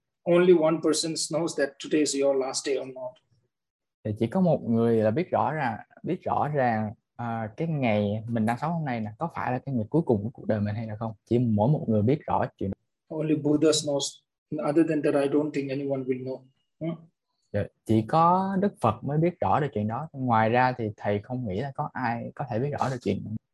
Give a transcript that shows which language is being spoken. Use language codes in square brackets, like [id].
[en] Only one person knows that today is your last day or not. [vi] Thì chỉ có một người là biết rõ ràng cái ngày mình đang sống hôm nay nè, có phải là cái ngày cuối cùng của cuộc đời mình hay là không? Chỉ mỗi một người biết rõ chuyện. [en] Only Buddha knows. Other than that, I don't think anyone will know. [vi] Chỉ có Đức Phật mới biết rõ được chuyện đó. Ngoài ra thì thầy không nghĩ là có ai có thể biết rõ được chuyện.